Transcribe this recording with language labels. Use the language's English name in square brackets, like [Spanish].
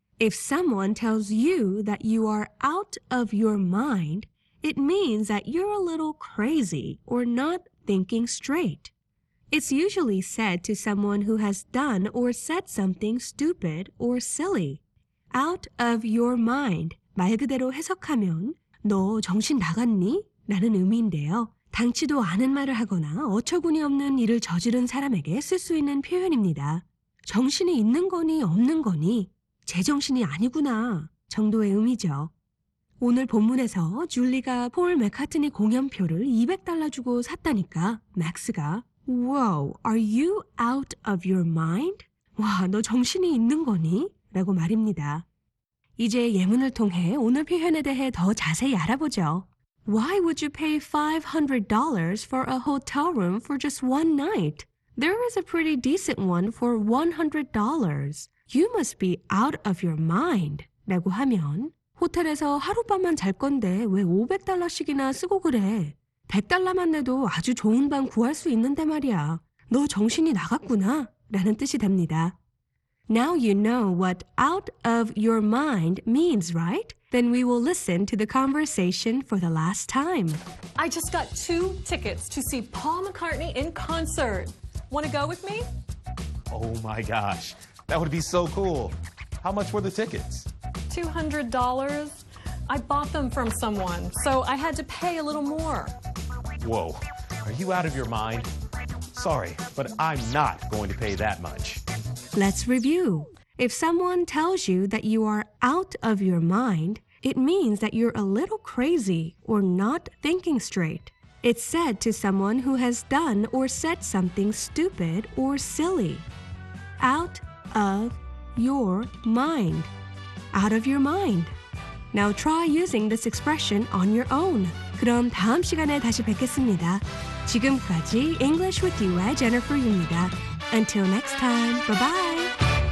[English] If someone tells you that you are out of your mind, it means that you're a little crazy or not thinking straight. It's usually said to someone who has done or said something stupid or silly. Out of your mind. [Korean] 말 그대로 해석하면 너 정신 나갔니? 라는 의미인데요. 당치도 않은 말을 하거나 어처구니 없는 일을 저지른 사람에게 쓸 수 있는 표현입니다. 정신이 있는 거니 없는 거니 제정신이 아니구나 정도의 의미죠. 오늘 본문에서 줄리가 폴 맥카트니 공연표를 $200 주고 샀다니까 맥스가 [English] Wow, are you out of your mind? [Korean] 와, 너 정신이 있는 거니? 라고 말입니다. 이제 예문을 통해 오늘 표현에 대해 더 자세히 알아보죠. [English] Why would you pay $500 for a hotel room for just one night? There is a pretty decent one for $100. You must be out of your mind. [Korean] 라고 하면 호텔에서 하룻밤만 잘 건데 왜 $500씩이나 쓰고 그래? 100달러만 내도 아주 좋은 방 구할 수 있는데 말이야. 너 정신이 나갔구나 라는 뜻이 됩니다. [English] Now you know what out of your mind means, right? Then we will listen to the conversation for the last time. I just got two tickets to see Paul McCartney in concert. Want to go with me? Oh my gosh, that would be so cool. How much were the tickets? $200. I bought them from someone, so I had to pay a little more. Whoa, are you out of your mind? Sorry, but I'm not going to pay that much. Let's review. If someone tells you that you are out of your mind, it means that you're a little crazy or not thinking straight. It's said to someone who has done or said something stupid or silly. Out of your mind. Out of your mind. Now try using this expression on your own. [Korean] 그럼 다음 시간에 다시 뵙겠습니다. 지금까지 [English] English with D.Y. Jennifer입니다. Until next time, bye-bye!